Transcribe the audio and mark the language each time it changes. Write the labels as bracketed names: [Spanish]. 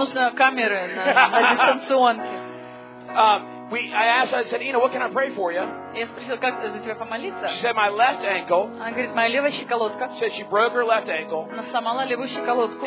[Russian] Нужна камера на дистанционке. [English] I said, Ina, what can I pray for you? [Russian] Я спросил, как за тебя помолиться? [English] She said, my left ankle. [Russian] Она говорит, моя левая щиколотка. [English] Said she broke her left ankle. [Russian] Она сломала левую щиколотку.